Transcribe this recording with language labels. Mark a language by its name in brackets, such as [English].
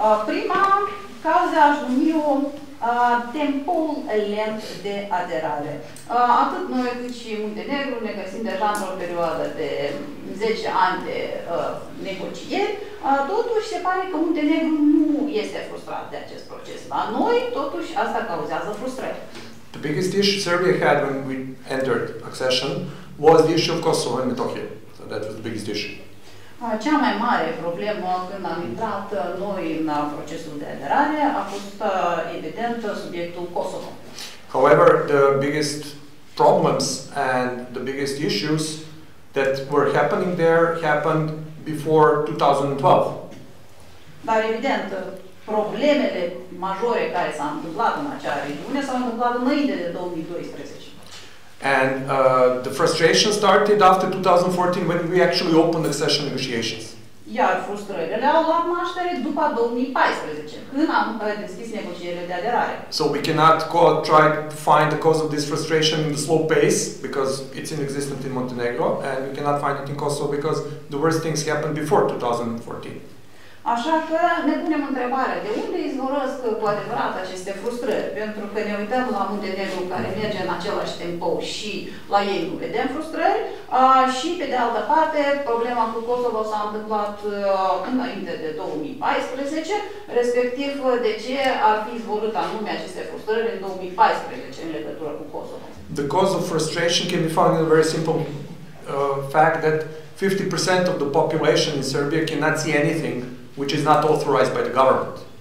[Romanian] Prima cauză aș numi eu tempul lent de aderare. Atât noi cât și Muntenegru ne găsim deja într-o perioadă de 10 ani de negocieri, totuși se pare că Muntenegru nu este frustrat de acest proces. La noi, totuși, asta cauzează frustrare. [English] The biggest issue Serbia had when we entered accession was the issue of Kosovo and Metohija. So that was the biggest issue. [Romanian] Cea mai mare problemă când am intrat noi în procesul de aderare a fost evident subiectul Kosovo. [English] However, the biggest problems and the biggest issues that were happening there happened before 2012. [Romanian] Dar evident, problemele majore care s-au întâmplat în acea regiune s-au întâmplat înainte de 2012. [English] And the frustration started after 2014 when we actually opened accession negotiations. [Romanian] Iar frustrările au luat naștere după 2014, când am deschis negocierile de aderare. [English] So we cannot try to find the cause of this frustration in the slow pace, because it's inexistent in Montenegro, and we cannot find it in Kosovo, because the worst things happened before 2014. [Romanian] Așa că ne punem întrebarea, de unde izvorăsc cu adevărat aceste frustrări? Pentru că ne uităm la Muntenegru care merge în același tempo și la ei nu vedem frustrări, și pe de altă parte, problema cu Kosovo s-a întâmplat înainte de 2014, respectiv de ce ar fi izvorât anume aceste frustrări în 2014 în legătură cu Kosovo. [English] The cause of frustration can be found in a very simple fact that 50% of the population in Serbia cannot see anything which is not authorized by the government.